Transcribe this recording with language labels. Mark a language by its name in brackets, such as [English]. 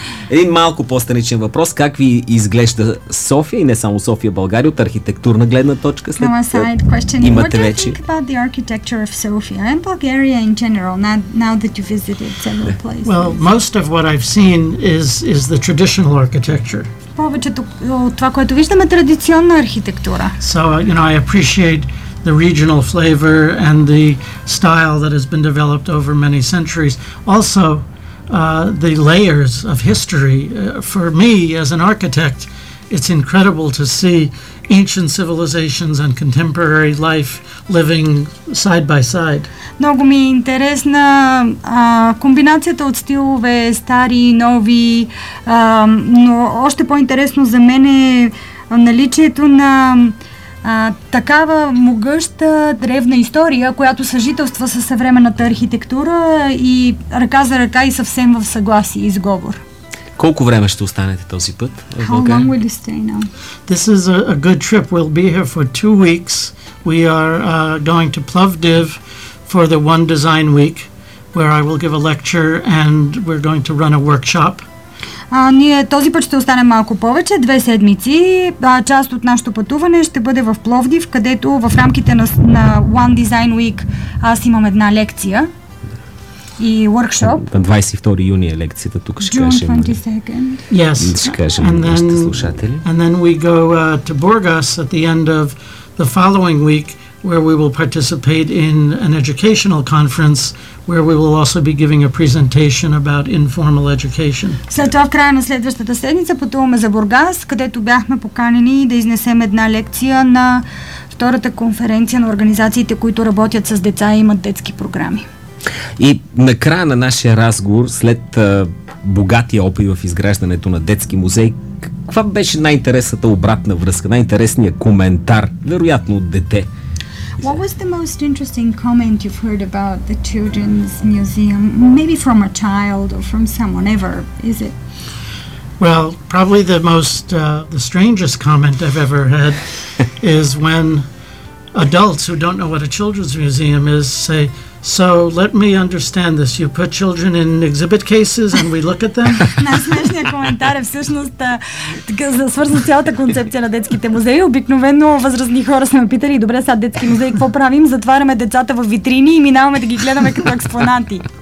[Bulgarian] Един малко по-страничен въпрос. Как ви изглежда София и не само София, България от архитектурна гледна точка? [English] From a side question, what do you think about the architecture of Sofia and Bulgaria in general, now that you visited several places? Well, most of what I've seen is the traditional architecture. [Bulgarian] Повечето от това, което виждаме, е традиционна архитектура. [English] So, you know, I appreciate the regional flavor and the style that has been developed over many centuries. Also, the layers of history. For me, as an architect, it's incredible to see ancient civilizations and contemporary life living side by side. [Bulgarian] Много ми е интересна комбинацията от стилове, стари и нови, но още по-интересно за мен е наличието на такава могъща древна история, която съжителства със съвременната архитектура и ръка за ръка и съвсем в съгласие и сговор. Колко време ще останете този път? [English] How long will you stay now? This is a good trip. We'll be here for 2 weeks. We are going to Plovdiv for the One Design Week, where I will give a lecture and we're going to run a workshop. [Bulgarian] Ние този път ще останем малко повече, 2 седмици. Част от нашето пътуване ще бъде в Пловдив, където в рамките на One Design Week аз имам една лекция и workshop. На 22 юни е лекцията, тук ще кажем. [English] June 22nd. Yes. And then we go to Burgas at the end of the following week, where we will participate in an educational conference, where we will also be giving a presentation about informal education. [Bulgarian] След това в края на следващата седмица пътуваме за Бургас, където бяхме поканени да изнесем една лекция на втората конференция на организациите, които работят с деца и имат детски програми. И накрая на нашия разговор, след богатия опит в изграждането на детски музей, каква беше най-интересната обратна връзка, най-интересният коментар, вероятно от дете? [English] What was the most interesting comment you've heard about the children's museum? Maybe from a child or from someone ever, is it? Well, probably the most, the strangest comment I've ever had is when adults who don't know what a children's museum is say, so let me understand this. You put children in exhibit cases and we look at them? [Bulgarian] Най-смешният коментар е всъщност свързан с цялата концепция на детските музеи. Обикновено възрастни хора сме питали, добре, сега детски музеи, какво правим? Затваряме децата в витрини и минаваме да ги гледаме като експонати.